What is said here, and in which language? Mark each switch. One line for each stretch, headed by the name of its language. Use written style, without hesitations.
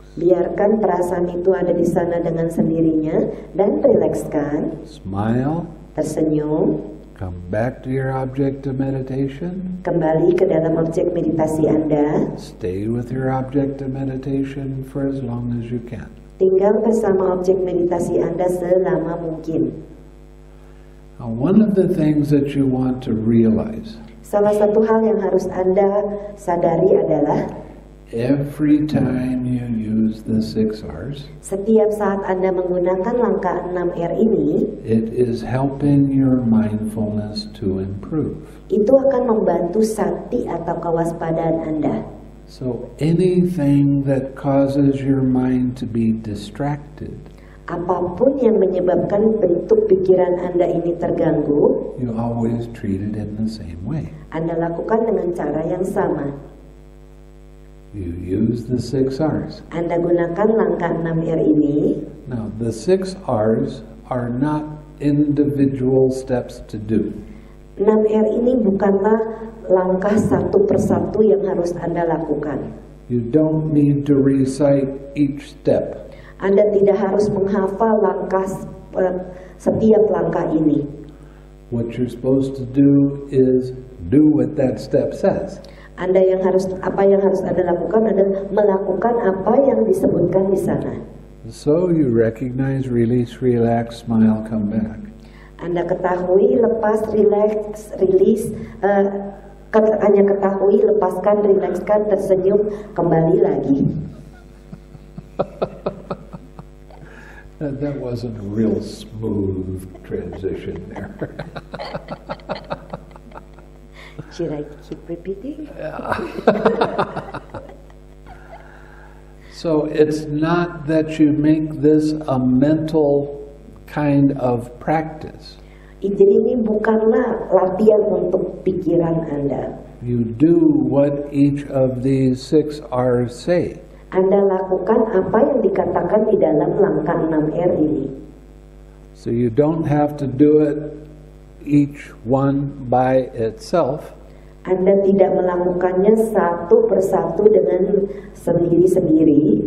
Indonesian: Biarkan perasaan itu ada di sana dengan sendirinya dan rilekskan.
English: Smile.
Indonesian: Tersenyum.
English: Come back to your object of meditation.
Indonesian: Kembali ke dalam objek meditasi Anda.
English: Stay with your object of meditation for as long as you can.
Indonesian: Tinggal bersama objek meditasi Anda selama mungkin.
English: Now, one of the things that you want to realize.
Indonesian: Salah satu hal yang harus Anda sadari adalah.
English: Every time you use the 6 R's,
Indonesian: setiap saat Anda menggunakan langkah 6 R ini,
English: it is helping your mindfulness to improve.
Indonesian: Itu akan membantu sati atau kewaspadaan Anda.
English: So anything that causes your mind to be distracted,
Indonesian: apapun yang menyebabkan bentuk pikiran Anda ini terganggu,
English: you always treat it in the same way.
Indonesian: Anda lakukan dengan cara yang sama.
English: You use the 6 R's.
Indonesian: Anda gunakan langkah 6 R ini.
English: Now, the 6 R's are not individual steps to do.
Indonesian: 6 R ini bukanlah langkah satu persatu yang harus Anda lakukan.
English: You don't need to recite each step.
Indonesian: Anda tidak harus menghafal langkah setiap langkah ini.
English: What you're supposed to do is do what that step says.
Indonesian: Anda yang harus apa yang harus Anda lakukan adalah melakukan apa yang disebutkan di sana.
English: So you recognize, release, relax, smile, come back.
Indonesian: Anda ketahui, lepas,
English: relax, release,
Indonesian: hanya ketahui, lepaskan, rilekskan, tersenyum, kembali lagi.
English: That wasn't a real smooth transition there. Should I keep repeating? Yeah. So it's not that you make this a mental kind of practice.
Indonesian: Jadi ini bukanlah latihan untuk pikiran Anda.
English: You do what each of these 6 R's say.
Indonesian: Anda lakukan apa yang dikatakan di dalam langkah 6 R ini.
English: So you don't have to do it each one by itself.
Indonesian: Anda tidak melakukannya satu persatu dengan sendiri-sendiri.